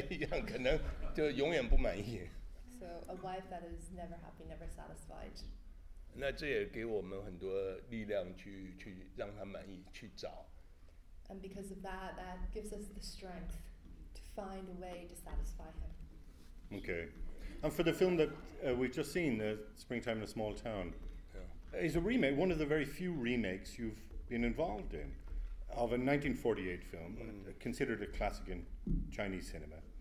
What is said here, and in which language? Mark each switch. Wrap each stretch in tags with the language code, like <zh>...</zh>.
<en>So a wife that is never happy, never satisfied.</en> <zh>那这也给我们很多力量去让他满意去找</zh> <en>And because of that, that gives us the strength to find a way to satisfy him. Okay. And for the film that we've just seen, the Springtime in a Small Town, is a remake, one of the very few remakes you've been involved in, of a 1948 film, considered a classic in Chinese cinema.</en>